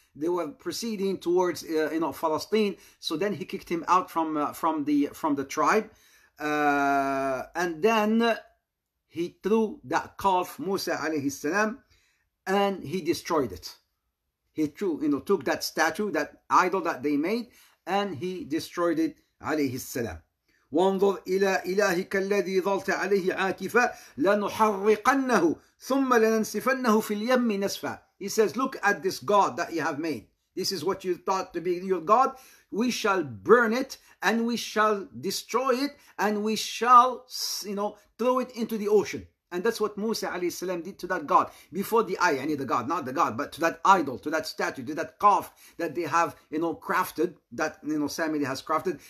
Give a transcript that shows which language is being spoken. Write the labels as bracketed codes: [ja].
[en] They were proceeding towards, Palestine. So then he kicked him out from the tribe. And then he threw that calf, Musa alayhi salam, and he destroyed it. He threw, you know, took that statue, that idol that they made, and he destroyed it alayhi salam. [ar] وانظر إلى إلهك الذي ظلت عليه عاكفا لنحرقنه ثم لننسفنه في اليم نسفا. [en] He says, look at this God that you have made. This is what you thought to be your God. We shall burn it and we shall destroy it and we shall, you know, throw it into the ocean. And that's what Musa alayhi salam did to that God. Before the eye, I mean the God, not the God, but to that idol, to that statue, to that calf that they have, you know, crafted, that, you know, Sami has crafted.